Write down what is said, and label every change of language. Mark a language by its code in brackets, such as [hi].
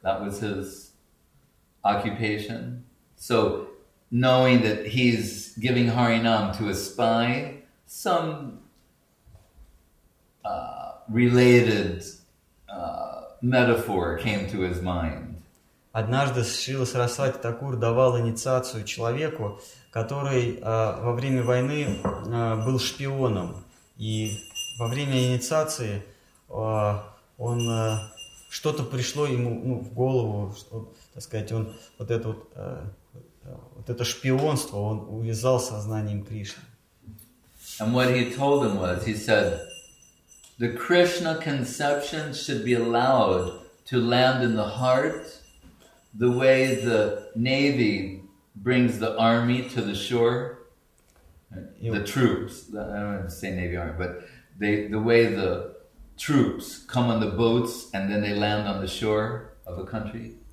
[en] That was his occupation. So knowing that he's giving Harinam to a spy, some related metaphor came to his mind. [ru] Однажды Шрила Сарасвати Такур давал инициацию человеку, который во время войны был шпионом. И во время инициации он что-то пришло ему в голову, что, так сказать, он вот это шпионство, он увязал сознанием Кришны. [en] And what he told him was, he said, the Krishna conception should be allowed to land in the heart, the way the navy brings the army to the shore, the troops, I don't want to say navy army, but the way the troops come on the boats and then they land on the shore of a country.